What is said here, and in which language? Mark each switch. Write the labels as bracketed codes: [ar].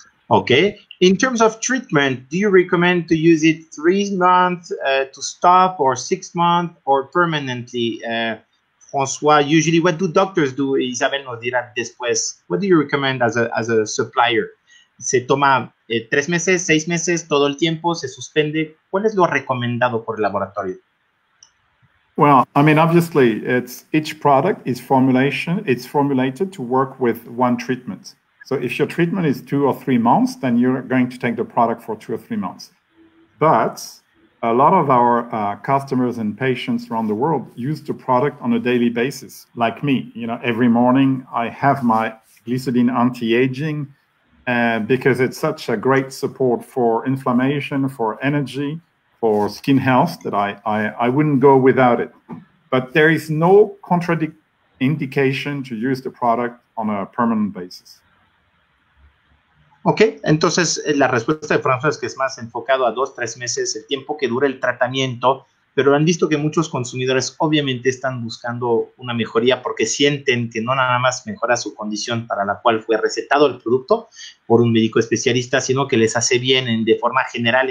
[en] Okay. In terms of treatment, do you recommend to use it 3 months to stop or 6 months or permanently? François, usually what do doctors do? [es] Isabel nos dirá después. [en] What do you recommend as a supplier? [es] ¿Se toma 3 meses, 6 meses, todo el tiempo, se suspende? ¿Cuál es lo recomendado por el laboratorio? [en] Well, I mean, obviously, it's each product is formulation. It's formulated to work with one treatment. So if your treatment is 2 or 3 months, then you're going to take the product for 2 or 3 months. But a lot of our customers and patients around the world use the product on a daily basis, like me. You know, every morning I have my glycidine anti-aging because it's such a great support for inflammation, for energy, for skin health, that I wouldn't go without it. But there is no contraindication to use the product on a permanent basis. [es] Okay, entonces la respuesta de François es que es más enfocado a 2-3 meses, el tiempo que dura el tratamiento, pero han visto que muchos consumidores obviamente están buscando una mejoría porque sienten que no nada más mejora su condición para la cual fue recetado el producto por un médico especialista, sino que les hace bien de forma general.